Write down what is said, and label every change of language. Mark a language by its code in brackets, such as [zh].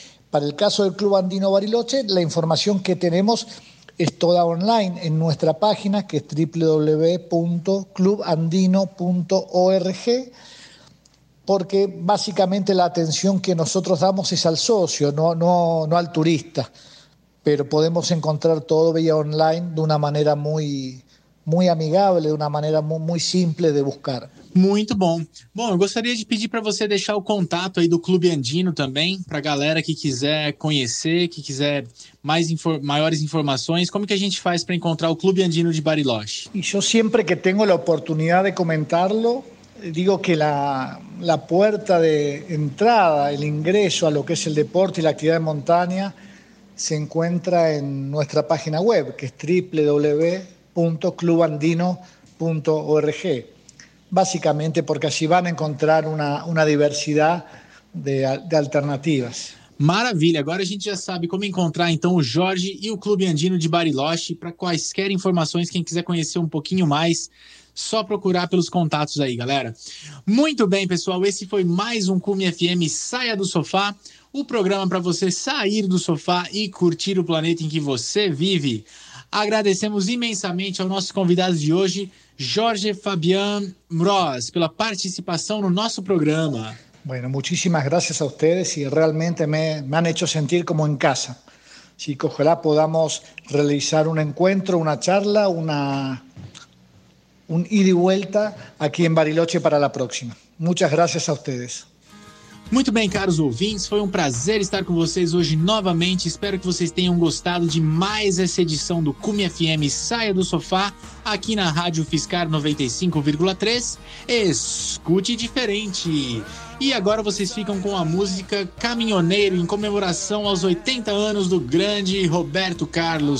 [es] Para el caso del Club Andino Bariloche, la información que tenemos es toda online en nuestra página, que es www.clubandino.org, porque básicamente la atención que nosotros damos es al socio, no al turista. Pero podemos encontrar todo vía online de una manera muy, muy amigable, de una manera muy, muy simple de buscar. [pt] Muito bom. Bom, eu gostaria de pedir para você deixar o contato aí do Clube Andino também, para a galera que quiser conhecer, que quiser maiores informações. Como que a gente faz para encontrar o Clube Andino de Bariloche? E eu sempre que tenho a oportunidade de [es] comentarlo, digo que la puerta de entrada, el ingreso a lo que es el deporte y la actividad de montaña, se encuentra en nuestra página web, que es www.clubandino.org. Básicamente porque allí van a encontrar una diversidad de alternativas. [pt] Maravilha! Agora a gente já sabe como encontrar então o Jorge e o Clube Andino de Bariloche. Para quaisquer informações, quem quiser conhecer um pouquinho mais, só procurar pelos contatos aí, galera. Muito bem, pessoal. Esse foi mais um Cume FM Saia do Sofá. O programa para você sair do sofá e curtir o planeta em que você vive. Agradecemos imensamente ao nosso convidado de hoje, Jorge Fabián Mroz, pela participação no nosso programa. [es] Bueno, muchísimas gracias a ustedes y realmente me han hecho sentir como en casa. Así que ojalá podamos realizar un encuentro, una charla, un ida y vuelta aquí en Bariloche para la próxima. Muchas gracias a ustedes. [pt] Muito bem, caros ouvintes, foi um prazer estar com vocês hoje novamente. Espero que vocês tenham gostado de mais essa edição do Cume FM Saia do Sofá, aqui na Rádio Fiscar 95,3. Escute diferente! E agora vocês ficam com a música Caminhoneiro, em comemoração aos 80 anos do grande Roberto Carlos.